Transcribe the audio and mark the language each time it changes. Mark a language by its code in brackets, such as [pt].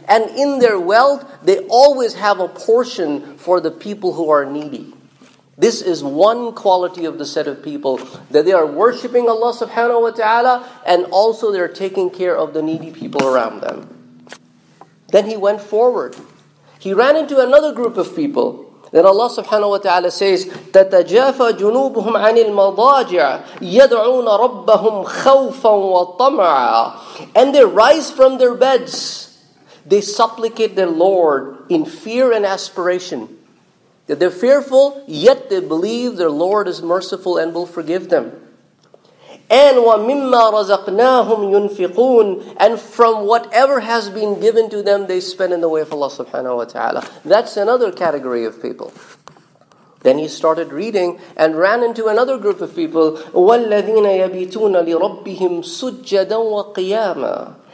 [en] And in their wealth, they always have a portion for the people who are needy. This is one quality of the set of people, that they are worshipping Allah subhanahu wa ta'ala, and also they are taking care of the needy people around them. Then he went forward. He ran into another group of people. Then Allah subhanahu wa ta'ala says, [ar] تَتَجَافَ جُنُوبُهُمْ عَنِ الْمَضَاجِعِ يَدْعُونَ رَبَّهُمْ خَوْفًا وَطَمَعًا. [en] And they rise from their beds. They supplicate their Lord in fear and aspiration. They're fearful, yet they believe their Lord is merciful and will forgive them. And [ar] وَمِمَّا رَزَقْنَاهُمْ يُنْفِقُونَ. [en] And from whatever has been given to them, they spend in the way of Allah subhanahu wa ta'ala. That's another category of people. Then he started reading and ran into another group of people. [ar] وَالَّذِينَ يَبِيتُونَ لِرَبِّهِمْ سُجَّدًا وَقِيَامًا.